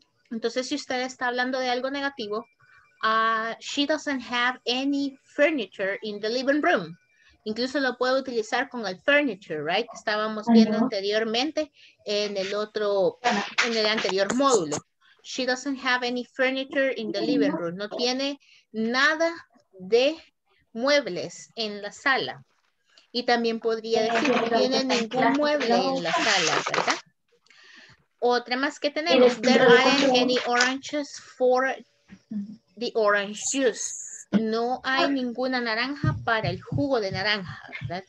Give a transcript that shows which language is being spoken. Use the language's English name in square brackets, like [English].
[Spanish] Entonces, si usted está hablando de algo negativo, [English] she doesn't have any furniture in the living room. [Spanish] Incluso lo puede utilizar con el furniture, right? Estábamos viendo anteriormente en el otro, en el anterior módulo. [English] She doesn't have any furniture in the living room. [Spanish] No tiene nada de muebles en la sala. Y también podría decir que no tiene ningún mueble en la sala, ¿verdad? Otra más que tenemos. [English] There aren't any oranges for the orange juice. [Spanish] No hay ninguna naranja para el jugo de naranja, ¿verdad?